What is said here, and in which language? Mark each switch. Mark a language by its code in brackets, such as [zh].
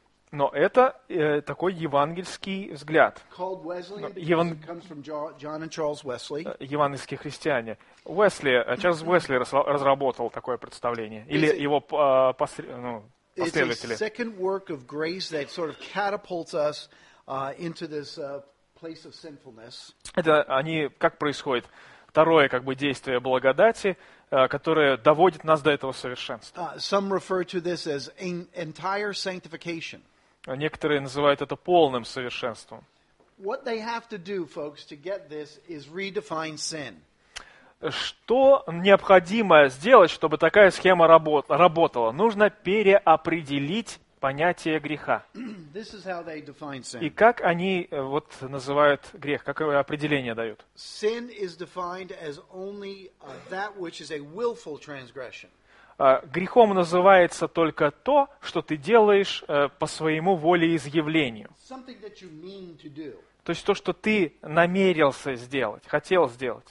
[ru] Но это такой евангельский взгляд. Евангельские христиане. Чарльз Уэсли разработал такое представление. Или его последователи. [en] It's a second work of grace that sort of catapults us into this place of sinfulness. [ru] Это они, как происходит, второе как бы действие благодати, которое доводит нас до этого совершенства. [en] Some refer to this as entire sanctification. [ru] Некоторые называют это полным совершенством. [en] What they have to do, folks, to get this is redefine sin. [ru] Что необходимо сделать, чтобы такая схема работала? Нужно переопределить понятие греха. [en] This is how they define sin. [ru] И как они вот называют грех? Какое определение дают? [en] Sin is defined as only that which is a willful transgression. [ru] Грехом называется только то, что ты делаешь по своему волеизъявлению. [en] To [ru] то есть то, что ты намерился сделать, хотел сделать.